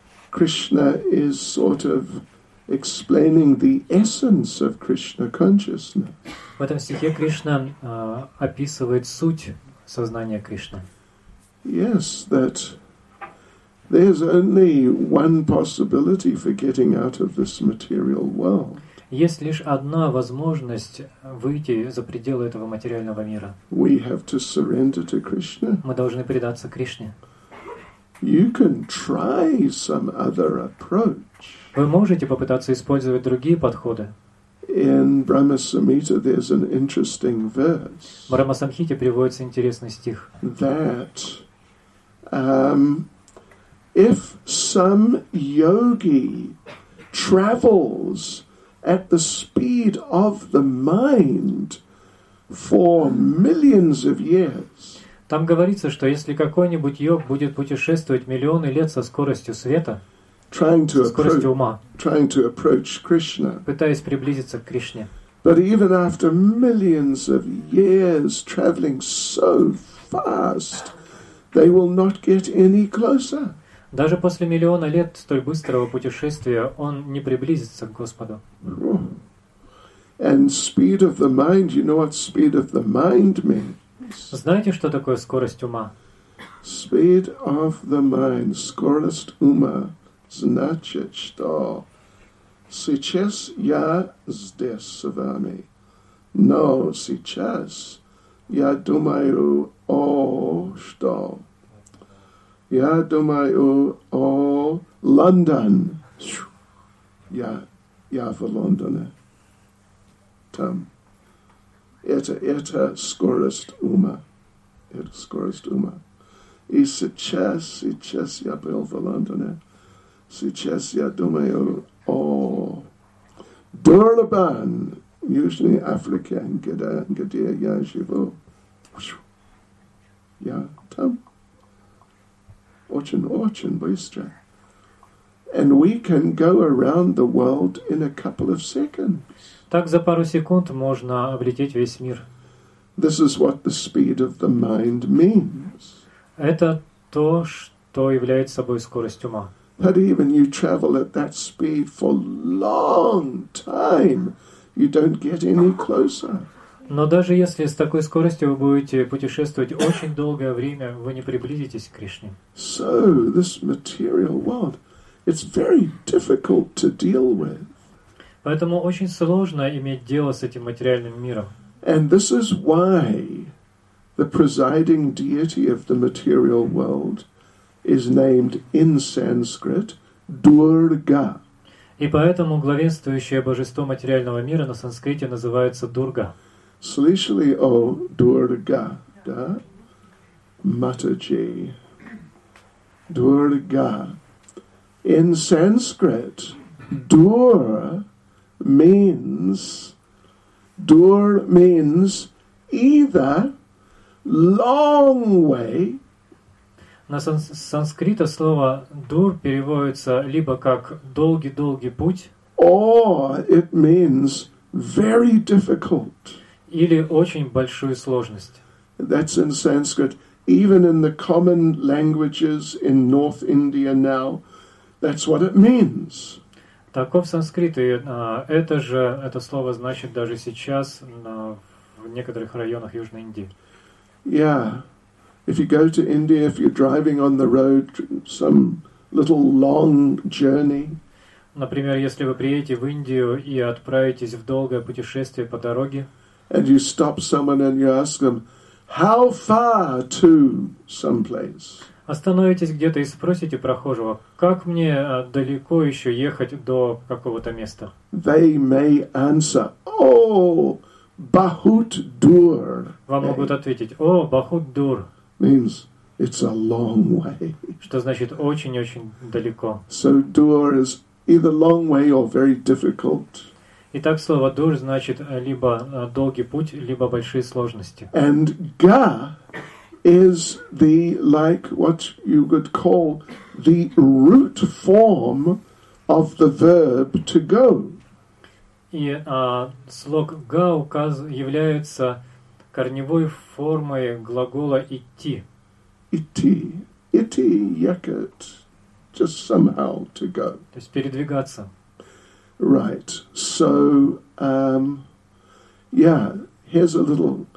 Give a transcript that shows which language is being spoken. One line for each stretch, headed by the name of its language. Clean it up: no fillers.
English: Krishna is sort of explaining the essence of Krishna consciousness.
Russian: В этом стихе Кришна описывает суть сознания Кришны.
English: Yes, that there's only one possibility for getting out of this material world.
Russian: Есть лишь одна возможность выйти за пределы этого материального мира.
English: We have to surrender to Krishna.
Russian: Мы должны предаться Кришне.
English: You can try some other approach.
Russian: Вы можете попытаться использовать другие подходы.
English: In Brahma Samhita there's an interesting verse.
Russian: В Брахма Самхите приводится интересный стих.
English: That if some yogi travels at the speed of the mind for millions of years.
Russian: Там говорится, что если какой-нибудь йог будет путешествовать миллионы лет со скоростью света,
English: trying to approach Krishna,
Russian: пытаясь приблизиться к Кришне.
English: But even after millions of years traveling so fast, they will not get any closer.
Russian: Даже после миллиона лет столь быстрого путешествия он не приблизится к Господу.
English: And speed of the mind, you know what speed of the mind means?
Russian: Знаете, что такое скорость ума?
English: Speed of the mind,
Russian: скорость ума, значит, что сейчас я здесь с вами. Но сейчас я думаю о что? Я думаю о Лондон. Я в Лондоне. Там. Это скорость ума. Это скорость ума. И сейчас я был в Лондоне. Сейчас я думаю о Дурбан, Южной Африке, где я живу. Я там. Очень-очень быстро.
English: And we can go around the world in a couple of seconds.
Russian: Так за пару секунд можно облететь весь мир.
English: This is what the speed of the mind means.
Russian: Это то, что является собой скорость ума.
English: But even you travel at that speed for long time, you don't get any closer.
Russian: Но даже если с такой скоростью вы будете путешествовать очень долгое время, вы не приблизитесь к Кришне.
English: So this material world, it's very difficult to deal with.
Russian: Поэтому очень сложно иметь дело с этим материальным миром.
English: And this is why the presiding deity of the material world is named in Sanskrit Durga.
Russian: И поэтому главенствующее божество материального мира на санскрите называется Дурга. Слышали о Дурга, да? Матаджи.
English: Дурга. In Sanskrit, Dur means either long way.
Russian: На санскрите слово дур переводится либо как долгий-долгий путь,
English: or it means very difficult.
Russian: Или очень большую сложность.
English: That's in Sanskrit. Even in the common languages in North India now, that's what it means.
Russian: Таков санскрит, и это слово значит даже сейчас в некоторых районах Южной Индии.
English: Yeah. If you go to India, if you're driving on the road, some little long journey.
Russian: Например, если вы приедете в Индию и отправитесь в долгое путешествие по дороге,
English: and you stop someone and you ask them, how far to some place?
Russian: Остановитесь где-то и спросите прохожего, как мне далеко еще ехать до какого-то места?
English: They may answer,
Hindi: bahut dur.
Russian: Вам могут ответить,
Hindi: bahut dur.
English: Means it's a long way.
Russian: Что значит очень-очень далеко.
English: So dur is either long way or very difficult.
Russian: Итак, слово «дур» значит либо долгий путь, либо большие сложности.
English: And «га» is the, like, what you would call the root form of the verb to go.
Russian: И слог «га» является корневой формой глагола «идти». Идти. Идти, ехать.
English: Just somehow to go.
Russian: То есть передвигаться.
English: Right. So, here's a little.